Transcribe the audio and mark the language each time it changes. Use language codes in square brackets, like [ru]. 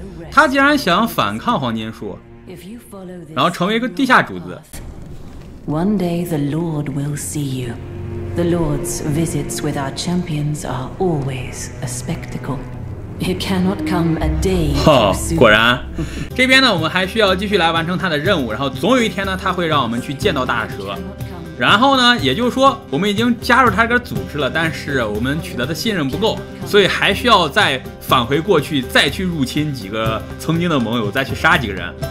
[zh] 他竟然想反抗黄金树，然后成为一个地下主子。 [en] One day the Lord will see you. The Lord's visits with our champions are always a spectacle. It cannot come a day too soon. [zh] 果然，这边呢，我们还需要继续来完成他的任务。然后总有一天呢，他会让我们去见到大蛇。然后呢，也就是说，我们已经加入他这个组织了，但是我们取得的信任不够，所以还需要再返回过去，再去入侵几个曾经的盟友，再去杀几个人。